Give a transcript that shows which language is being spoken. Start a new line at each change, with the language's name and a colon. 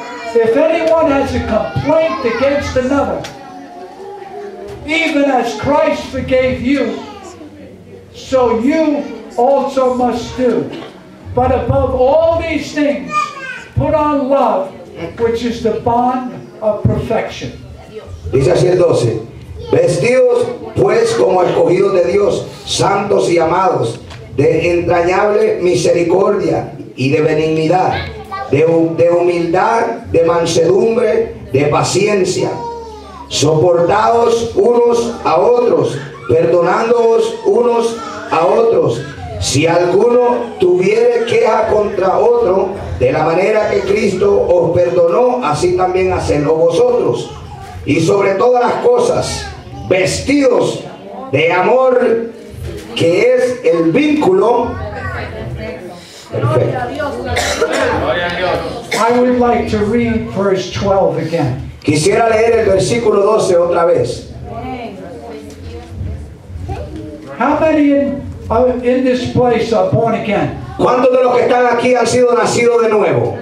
English: If anyone has a complaint against another, even as Christ forgave you, so you also must do. But above all these things, put on love, which is the bond of perfection.
Spanish: Dice así el 12. Vestidos pues como escogidos de Dios, santos y amados, de entrañable misericordia y de benignidad, de humildad, de mansedumbre, de paciencia, soportados unos a otros, perdonándoos unos a otros, si alguno tuviere queja contra otro, de la manera que Cristo os perdonó, así también hacedlo vosotros, y sobre todas las cosas, vestidos de amor, que es el vínculo.
English: I would like to read verse 12 again.
Spanish: Quisiera leer el versículo 12 otra vez.
English: How many in this place are born again?
Spanish: ¿Cuántos de los que están aquí han sido nacidos de nuevo?